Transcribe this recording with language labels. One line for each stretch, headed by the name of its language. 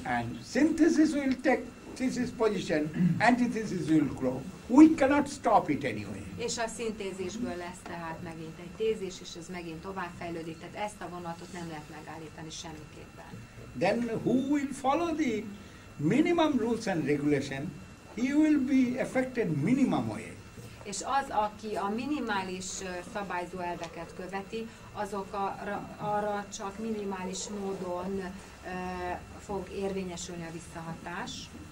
English: And synthesis will take thesis position, antithesis will grow. We cannot stop it anyway.
Hungarian: És a szintézisből lesz tehát megint egy tézis, és ez megint tovább fejlődik. Tehát ezt a vonatot nem lehet megállítani semmiképpen.
English: Then who will follow the minimum rules and regulation? He will be affected minimum way.
Hungarian: És az, aki a minimális szabályzó elveket követi, azok arra csak minimális módon fog érvényesülni a visszahatás.